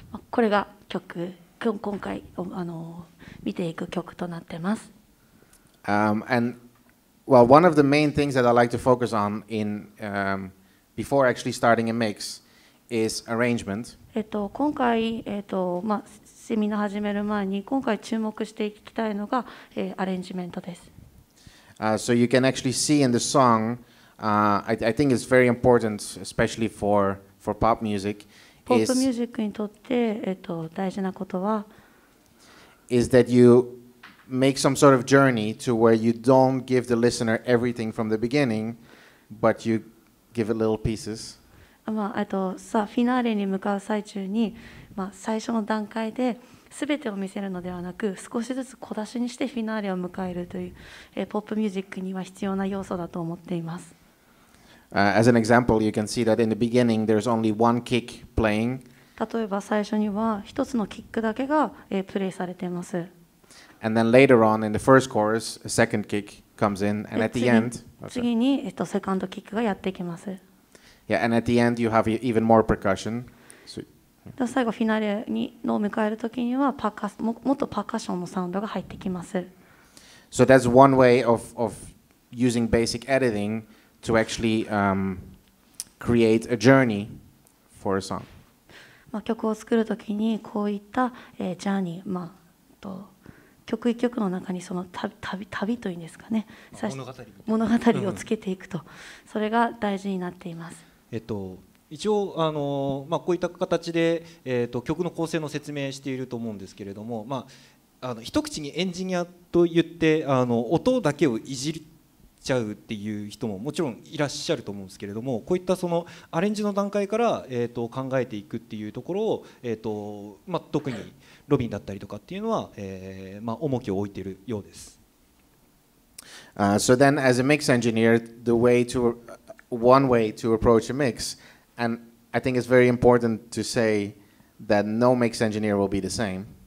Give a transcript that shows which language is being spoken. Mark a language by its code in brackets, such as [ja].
[ja] これが曲、今回見ていく曲となってます。 [en] Well, one of the main things that I like to focus on in, before actually starting a mix is arrangement. [ja] 今回、セミナー始める前に今回注目していきたいのが、アレンジメントです。 [en] So you can actually see in the song, I think it's very important, especially for pop music, is, [ja] ポップミュージックにとって、大事なことは [en] is that you make some sort of journey to where you don't give the listener everything from the beginning, but you give it little pieces. [ja] さあ、フィナーレに向かう最中に、最初の段階で全てを見せるのではなく、少しずつ小出しにしてフィナーレを迎えるという、ポップミュージックには必要な要素だと思っています。 [en] As an example, you can see that in the beginning there's only one kick playing. [ja] 例えば最初には一つのキックだけが、プレイされています。 [en] And then later on in the first chorus, a second kick comes in, and at the end, [ja] 次に、セカンドキックがやってきます。 [en] Yeah, and at the end you have even more percussion. So, yeah. [ja] 最後フィナーレにのを迎えるときにはもっとパーカッションのサウンドが入ってきます。 [en] So that's one way of using basic editing. To actually, create a journey for a song. [ja] 曲を作るときにこういった、ジャーニー、曲一曲の中にその旅というんですかね、物語をつけていくと、それが大事になっています。一応こういった形で、曲の構成の説明していると思うんですけれども、一口にエンジニアといって音だけをいじるちゃうっていう人ももちろんいらっしゃると思うんですけれども、こういったそのアレンジの段階から考えていくっていうところを特にロビンだったりとかっていうのは重きを置いているようです。 [en] So then, as a mix engineer, the way to one way to approach a mix, and I think it's very important to say that no mix engineer will be the same.